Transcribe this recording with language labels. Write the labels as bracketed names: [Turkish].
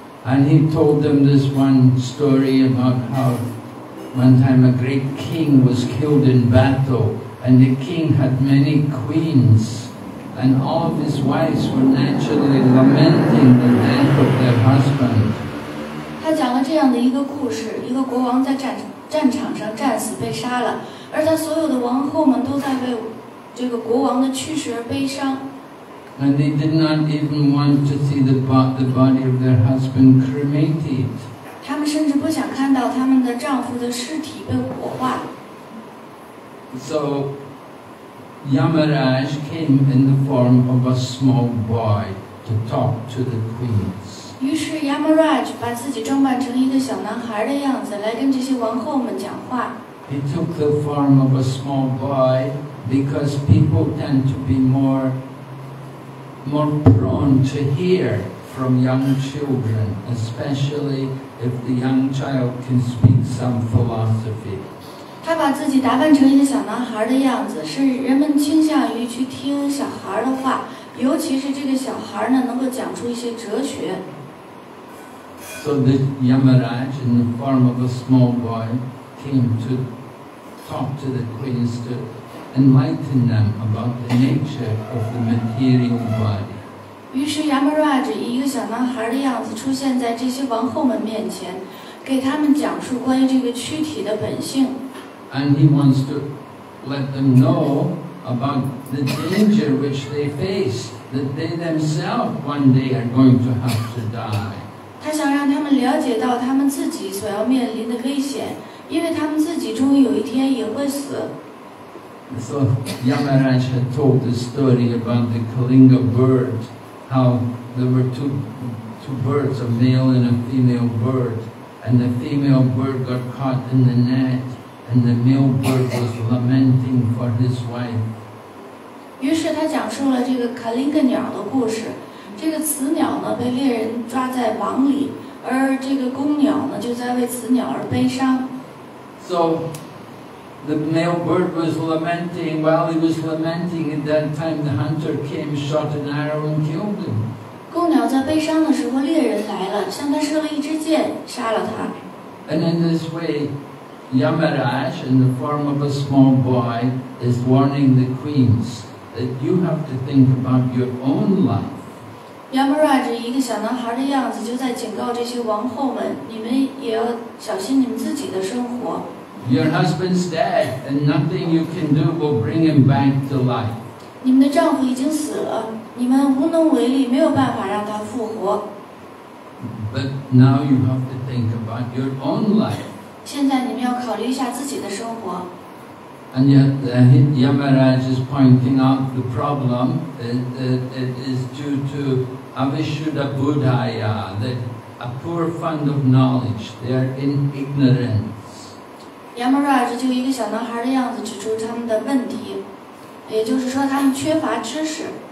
[English] And he told them this one story about how one time a great king was killed in battle, and the king had many queens, and all of his wives were naturally lamenting the death of their husband. [Chinese] 他讲了这样的一个故事，一个国王在战场上战死被杀了，而他所有的王后们都在为这个国王的去世而悲伤。 [English] And they did not even want to see the body of their husband cremated. [Chinese] 他们甚至不想看到他们的丈夫的尸体被火化。 [English] So, Yamaraj came in the form of a small boy to talk to the queens. [Chinese] 于是 Yamaraj 把自己装扮成一个小男孩的样子来跟这些王后们讲话。 [English] He took the form of a small boy because people tend to be more prone to hear from young children, especially if the young child can speak some philosophy. [Chinese] 他把自己打扮成一个小男孩的样子，是人们倾向于去听小孩的话，尤其是这个小孩呢能够讲出一些哲学。 [English] So the Yamaraj, in the form of a small boy, came to talk to the queens to. Enlighten them about the nature of the material body. [Chinese] 于是 Yamaraj 以一个小男孩的样子出现在这些王后们面前，给他们讲述关于这个躯体的本性。 [English] And he wants to let them know about the danger which they face, that they themselves one day are going to have to die. [Chinese] 他想让他们了解到他们自己所要面临的危险，因为他们自己终于有一天也会死。 [English] So Yamaraj had told the story about the Kalinga bird, how there were two birds, a male and a female bird, and the female bird got caught in the net, and the male bird was lamenting for his wife. [Chinese] 于是他讲述了这个 Kalinga 鸟的故事。这个雌鸟呢被猎人抓在网里，而这个公鸟呢就在为雌鸟而悲伤。 [English] So. The male bird was lamenting. While he was lamenting, at that time the hunter came, shot an arrow, and killed him. [Chinese] 公鸟在悲伤的时候，猎人来了，向他射了一支箭，杀了他。 [English] And in this way, Yamaraj, in the form of a small boy, is warning the queens that you have to think about your own life. [Chinese] Yamaraj 以一个小男孩的样子，就在警告这些王后们：你们也要小心你们自己的生活。 [English] Your husband's dead, and nothing you can do will bring him back to life. [Chinese] 你们的丈夫已经死了，你们无能为力，没有办法让他复活。 [English] But now you have to think about your own life. [Chinese] 现在你们要考虑一下自己的生活。 [English] And yet, Yamaraj is pointing out the problem that it is due to avishuddha buddhaya, that a poor fund of knowledge. They are in ignorance. [Chinese] Yamaraj 就一个小男孩的样子指出他们的问题，也就是说他们缺乏知识。